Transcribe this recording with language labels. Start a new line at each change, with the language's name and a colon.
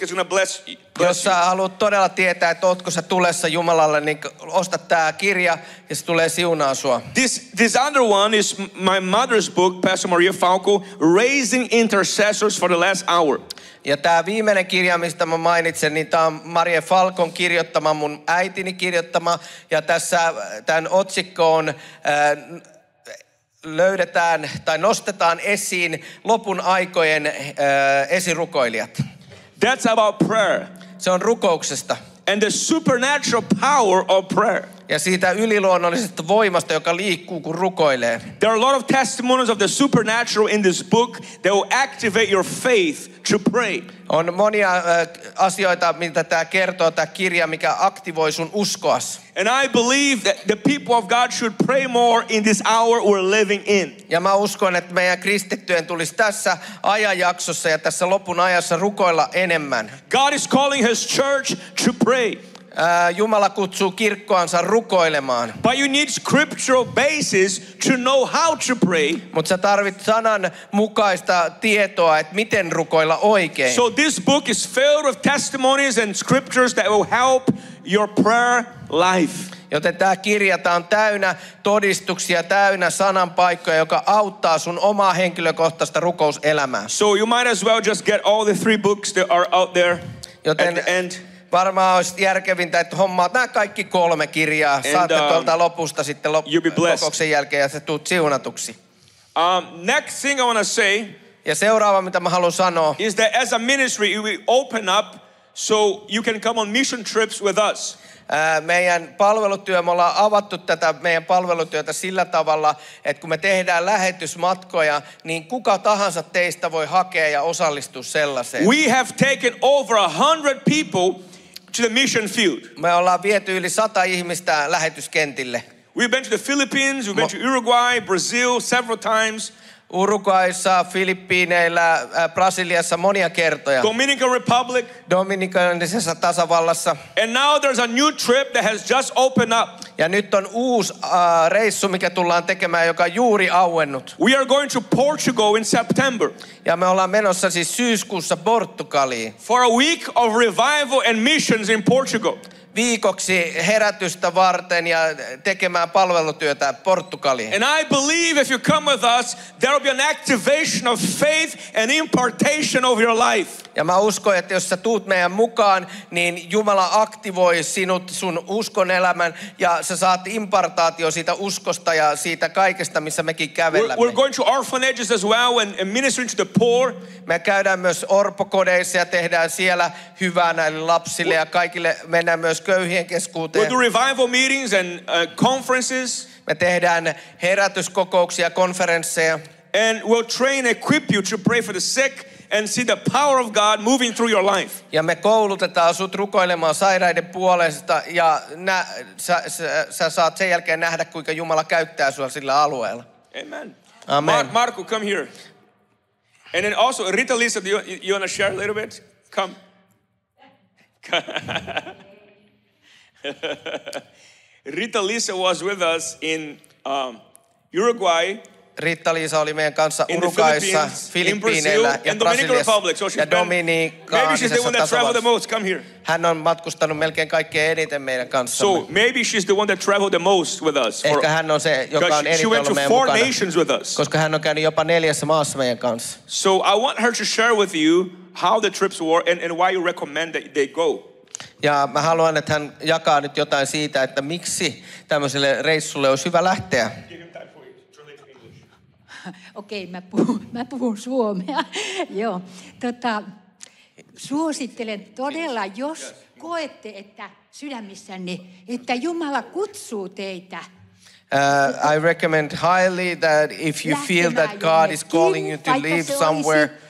English: It's going to bless you.
Finnish: Jos sä haluat todella tietää, että ootko sä tulessa Jumalalle, niin osta tämä kirja ja se tulee siunaa sua.
English: This other one is my mother's book, Pastor Maria Falco, Raising Intercessors for the Last Hour.
Finnish: Ja tämä viimeinen kirja, mistä mä mainitsen, niin tämä on Marie Falcon kirjoittama, mun äitini kirjoittama. Ja tässä tämän otsikkoon löydetään tai nostetaan esiin lopun aikojen esirukoilijat.
English: That's about prayer.
Finnish: Se on rukouksesta.
English: And the supernatural power of prayer.
Finnish: Ja siitä yliluonnollisesta voimasta, joka liikkuu, kun rukoilee.
English: There are a lot of testimonies of the supernatural in this book that will activate your faith to pray.
Finnish: On monia asioita, mitä tämä kertoo, tämä kirja, mikä aktivoi sun uskoas.
English: And I believe that the people of God should pray more in this hour we're living in.
Finnish: Ja mä uskon, että meidän kristittyjen tulisi tässä ajanjaksossa ja tässä lopun ajassa rukoilla enemmän.
English: God is calling his church to pray.
Finnish: Jumala kutsuu kirkkoansa rukoilemaan.
English: But you need scriptural basis to know how to pray.
Finnish: Mutta sä tarvit sanan mukaista tietoa, että miten rukoilla oikein.
English: So this book is filled with testimonies and scriptures that will help your prayer life.
Finnish: Joten tämä kirja, tämä on täynnä todistuksia, täynnä sananpaikkoja, joka auttaa sun omaa henkilökohtaista rukouselämää.
English: So you might as well just get all the three books that are out there.
Finnish: Joten
English: at the end.
Finnish: Varmaan olisi järkevintä, että hommaat nämä kaikki kolme kirjaa, saatte tuolta lopusta sitten kokouksen jälkeen ja sä tuut siunatuksi.
English: Next thing I want to say,
Finnish: ja seuraava, mitä mä haluan sanoa,
English: is that as a ministry we open up so you can come on mission trips with us.
Finnish: Meidän palvelutyö, me ollaan avattu tätä meidän palvelutyötä sillä tavalla, että kun me tehdään lähetysmatkoja, niin kuka tahansa teistä voi hakea ja osallistua sellaiseen.
English: We have taken over 100 people to the mission field.
Finnish: Me ollaan viety yli 100 ihmistä lähetyskentille.
English: We've been to the Philippines, we've been to Uruguay, Brazil several times.
Finnish: Uruguayssa, Filippiineillä, Brasiliassa monia kertoja.
English: Dominican Republic.
Finnish: Dominikaanisessa tasavallassa.
English: And now there's a new trip that has just opened up.
Finnish: Ja nyt on uusi reissu, mikä tullaan tekemään, joka juuri auennut.
English: We are going to Portugal in September.
Finnish: Ja me ollaan menossa siis syyskuussa Portugaliin.
English: For a week of revival and missions in Portugal.
Finnish: Viikoksi herätystä varten ja tekemään palvelutyötä Portugaliin.
English: And I believe if you come with us, there will be an activation of faith and impartation of your life.
Finnish: Ja mä uskon, että jos sä tuut meidän mukaan, niin Jumala aktivoi sinut sun uskon elämän ja sä saat impartaatio siitä uskosta ja siitä kaikesta, missä mekin kävelemme.
English: We're going to orphanages as well and ministering to the poor.
Finnish: Me käydään myös orpokodeissa ja tehdään siellä hyvää näille lapsille ja kaikille, mennään myös köyhien keskuuteen.
English: We'll do revival meetings and conferences.
Finnish: Me tehdään herätyskokouksia, konferensseja.
English: And we'll train, equip you to pray for the sick. And see the power of God moving through your life.
Finnish: Ja me koulutetaan sut rukoilemaan sairaiden puolesta ja sä saat sen jälkeen nähdä kuinka Jumala käyttää sua sillä alueella. Amen. Amen.
English: Marco, come here. And then also Rita Lisa, do you want to share a little bit? Come. Rita Lisa was with us in Uruguay.
Finnish: Rita-Liisa oli meidän kanssa Uruguayssa, Filippiineillä ja Brasiliassa ja Dominikaanisessa tasavallassa. Hän on matkustanut melkein kaikkein eniten meidän kanssa.
English: So maybe she's the one that traveled the most with us.
Finnish: Ehkä hän on se, joka on eniten ollut meidän
English: four
Finnish: mukana,
English: nations with us.
Finnish: Koska hän on käynyt jopa neljässä maassa meidän kanssa.
English: So I want her to share with you how the trips were and why you recommend that they go.
Finnish: Ja mä haluan, että hän jakaa nyt jotain siitä, että miksi tämmöiselle reissulle olisi hyvä lähteä. Okei, mä puhun suomea. Joo. Suosittelen todella, jos koette, että sydämissänne, että Jumala kutsuu teitä.
English: I recommend highly that if you feel that God is calling you to leave somewhere,